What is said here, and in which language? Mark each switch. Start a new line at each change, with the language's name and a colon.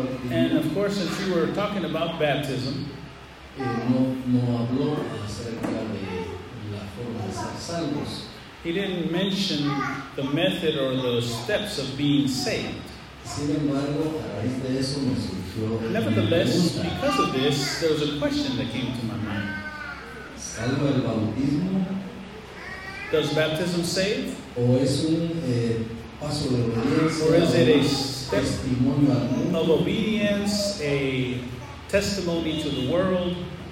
English: And of course, since you were talking about baptism, he didn't mention the method or the steps of being saved.
Spanish: Sin embargo, a raíz de eso me surgió.
English: Nevertheless, because of this, there was a question that came to my mind.
Spanish: ¿Salva el bautismo?
English: Does baptism save?
Spanish: ¿O es un paso de obediencia?
English: Or is it a step of obedience, a testimony to the world?